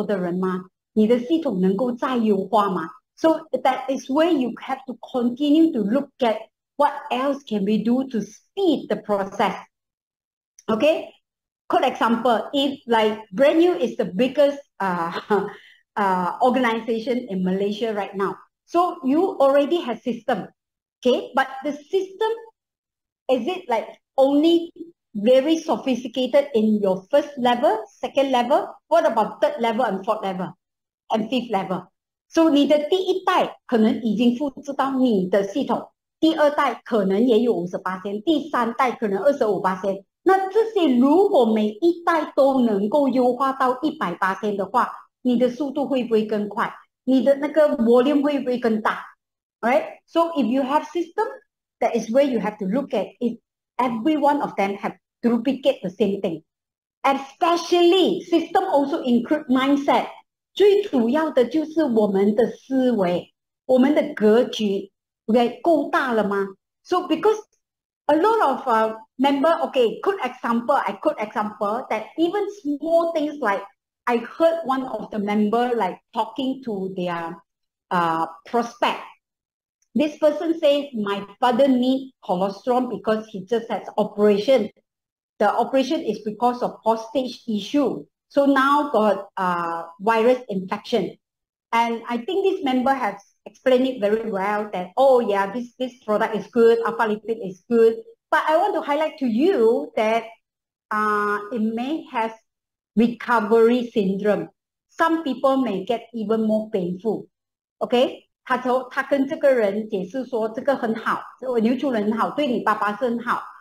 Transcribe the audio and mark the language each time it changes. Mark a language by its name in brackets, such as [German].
[Chinese] 你的系统能够再激发更多的人吗？你的系统能够再优化吗？ [English] So that is where you have to continue to look at what else can we do to speed the process. Okay? For example, if like Brand New is the biggest organization in Malaysia right now. So you already have system. Okay? But the system, is it like only very sophisticated in your first level, second level? What about third level and fourth level and fifth level? [Chinese] So 你的第一代可能已经复制到你的系统，第二代可能也有50%，第三代可能25%。那这些如果每一代都能够优化到100%的话，你的速度会不会更快？你的那个volume 会不会更大？Right? [English] So if you have system, that is where you have to look at it. Every one of them have duplicate the same thing. Especially system also include mindset. [Chinese] 最主要的就是我们的思维，我们的格局 okay, 够大了吗? [English] So because a lot of member, okay, could example that even small things like I heard one of the member like talking to their prospect. This person says, my father need cholesterol because he just has operation. The operation is because of prostate issue. So now got virus infection. And I think this member has explained it very well that, oh yeah, this product is good, alpha lipid is good. But I want to highlight to you that it may have recovery syndrome. Some people may get even more painful. Okay? [Chinese] 他跟这个人解释说这个很好，我流出了很好，对你爸爸是很好。